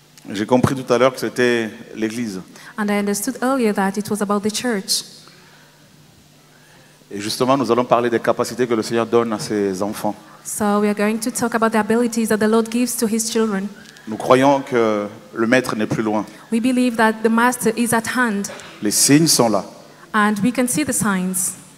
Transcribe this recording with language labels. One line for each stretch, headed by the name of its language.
French: J'ai compris tout à l'heure que c'était l'église.
English: And I understood earlier that it was about the church.
French: Et justement, nous allons parler des capacités que le Seigneur donne à ses enfants.
English: So we are going to talk about the abilities that the Lord gives to his children.
French: Nous croyons que le maître n'est plus loin.
English: We believe that the master is at hand.
French: Les signes sont là.
English: And we can see the signs.